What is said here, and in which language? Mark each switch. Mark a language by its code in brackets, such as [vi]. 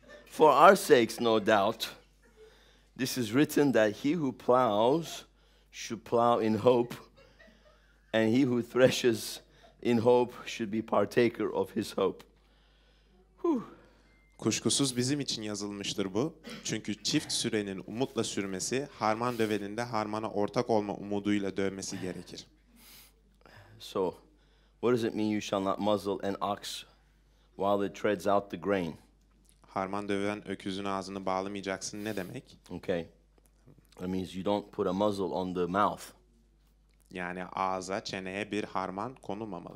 [en] For our sakes, no doubt, this is written that he who plows should plow in hope, and he who threshes in hope should be partaker of his hope. [tr] Whew. Kuşkusuz bizim için yazılmıştır bu. Çünkü çift sürenin umutla sürmesi, harman dövenin de harmana ortak olma umuduyla dövmesi gerekir. [en] So, what does it mean you shall not muzzle an ox while it treads out the grain? [tr] Harman döven öküzün ağzını bağlamayacaksın ne demek? [en] Okay. That means you don't put a muzzle on the mouth. [tr] Yani ağza, çeneye bir harman konulmamalı.